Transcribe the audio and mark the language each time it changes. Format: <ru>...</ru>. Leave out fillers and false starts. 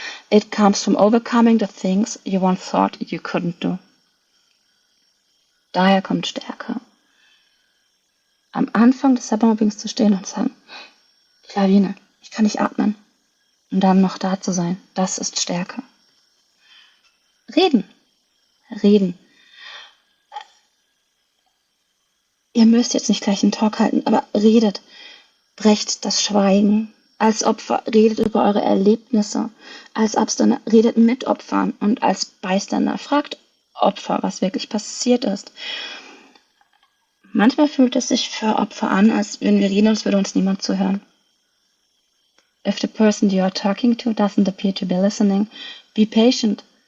<en>It comes from overcoming the things you once thought you couldn't do.</en> <de>Daher kommt Stärke. Am Anfang des Cybermobbings zu stehen und zu sagen, Lawine, ich kann nicht atmen. Und dann noch da zu sein, das ist Stärke. Reden. Reden. Ihr müsst jetzt nicht gleich einen Talk halten, aber redet. Brecht das Schweigen. Als Opfer redet über eure Erlebnisse. Als Abstander redet mit Opfern. Und als Beistander fragt Opfer, was wirklich passiert ist. Manchmal fühlt es sich für Opfer an, als wenn wir reden, als würde uns niemand zuhören.</de> <en>If the person you are talking to doesn't appear to be listening, be patient.</en>